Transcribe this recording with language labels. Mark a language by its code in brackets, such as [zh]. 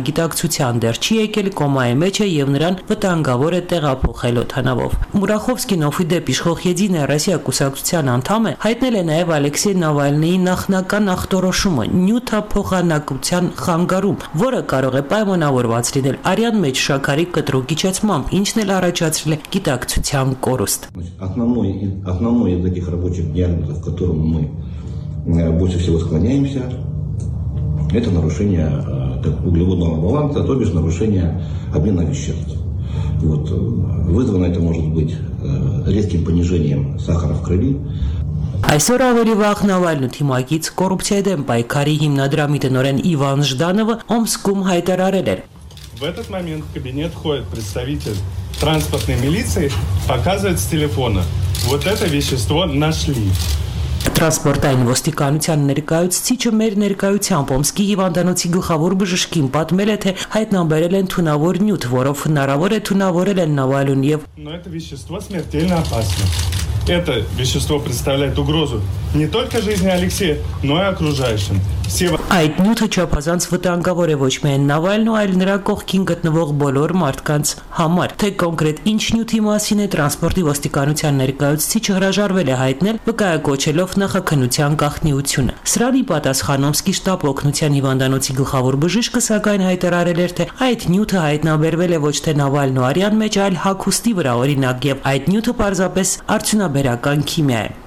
[hy] գիտակցության դեռ չի եկել, կոմայի մեջ է և նրան վտանգավոր է տեղափոխել օթանավով։ Մուրախովսկին, ով իդեպ իշխող Եդինե Ռասիա կուսակցության անդամ է, հայտնել է նաև Ալեքսեյ Նավալնիի նախնական ախտորոշումը՝ նյութափոխանակության խանգարում, որը կարող է պայմանավորված լինել արյան մեջ շաքարի կտրուկ իջեցմամբ, ինչն էլ առաջացրել է գիտակցության կորուստ։ [ru] Основной из таких рабочих диагнозов, к которым мы больше всего склоняемся, это нарушение углеводного баланса, то бишь нарушение обмена веществ. Вот. Вызвано это может быть резким понижением сахара в крови. [hy] Այսօր ավելի վաղ Նավալնու թիմակից կոռուպցիայի դեմ պայքարի հիմնադրամի տնօրեն Իվան Ժդանովը Օմսկում հայտարարել էր. [ru] В этот момент в кабинет входит представитель транспортной милиции, показывает с телефона. Вот это вещество нашли. [hy] Տրանսպորտային ոստիկանության ներկայացուցիչը մեր ներկայությամբ Օմսկի հիվանդանոցի գլխավոր բժշկին պատմել է, թե հայտնաբերել են թունավոր նյութ, որով հնարավոր է թունավորել են Նավալուն և [ru] Это вещество смертельно опасно. Это вещество представляет угрозу не только жизни Алексея, но и окружающим. [hy] Այդ նյութը չափազանց վտանգավոր է ոչ միայն Նավալնու, այլ նրա կողքին գտնվող բոլոր մարդկանց համար։ Թե կոնկրետ ինչ նյութի մասին է տրանսպորտի ոստիկանության ներկայացուցիչը հրաժարվել է հայտնել, վկայակոչելով նախաքնության գաղտնիությունը։ Սրանի պատասխան Օմսկի շտապօգնության հիվանդանոցի գլխավոր բժիշկը, սակայն, հայտարարել էր, թե այդ նյութը հայտնաբերվել է ոչ թե Նավալնու արյան մեջ, այլ հագուստի վրա, օրինակ, և այդ նյութը պարզապես արդյունաբերական քիմիա է։